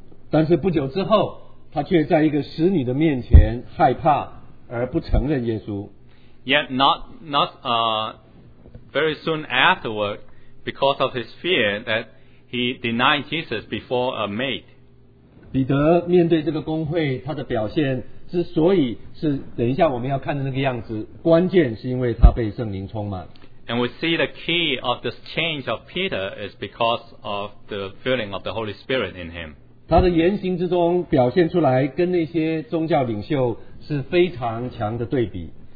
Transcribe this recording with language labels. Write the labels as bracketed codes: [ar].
[zh] 但是不久之后，他却在一个使女的面前害怕而不承认耶稣。 [en] Yet not very soon afterward, because of his fear that he denied Jesus before a maid. [zh] 彼得面对这个公会，他的表现之所以是等一下我们要看的那个样子，关键是因为他被圣灵充满。 [en] And we see the key of this change of Peter is because of the filling of the Holy Spirit in him. [zh] 他的言行之中表现出来跟那些宗教领袖是非常强的对比。